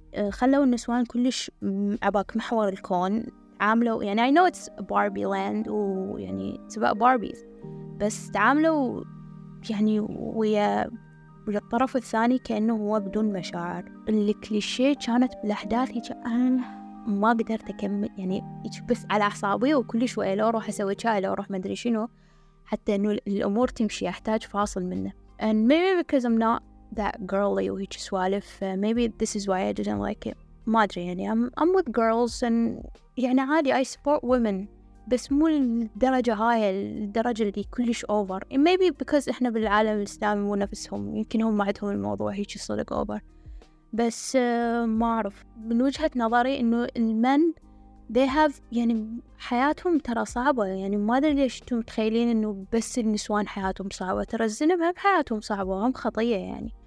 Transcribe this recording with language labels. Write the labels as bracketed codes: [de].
[ar] خلوا النسوان كلش عباك محور الكون، عاملوا يعني [en] I know it's Barbie land [ar] ويعني [en] it's about Barbies، [ar] بس تعاملوا يعني ويا الطرف الثاني كأنه هو بدون مشاعر. الكليشي كانت بالأحداث ما قدرت أكمل، يعني بس على أعصابي وكل شوية لو أروح أسوي شاي لو أروح مدري شنو، حتى أنه الأمور تمشي أحتاج فاصل منه. [en] and maybe because I'm not that girly [ar] وهيك سوالف، [en] maybe this is why I didn't like it. [ar] ما أدري يعني [en] I'm with girls and [ar] يعني عادي [en] I support women، [ar] بس مو الدرجة هاي، الدرجة اللي كلش أوفر. [en] maybe because [ar] إحنا بالعالم الإسلامي مو نفسهم، يمكن هم عندهم الموضوع هيك صدق أوفر. بس ما أعرف، من وجهة نظري إنه المن [en] they have [ar] يعني حياتهم ترى صعبة، يعني ما أدري ليش أنتم متخيلين إنه بس النسوان حياتهم صعبة، ترى الزلم هم حياتهم صعبة وهم خطية يعني.